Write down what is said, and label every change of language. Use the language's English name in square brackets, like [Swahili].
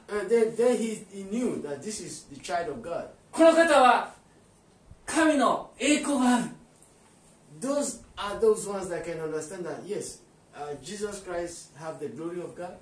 [English] Then he knew that this is the child of God. [Japanese] この方は神の栄光がある。 [English] Those are those ones that can understand that yes, Jesus Christ have the glory of God.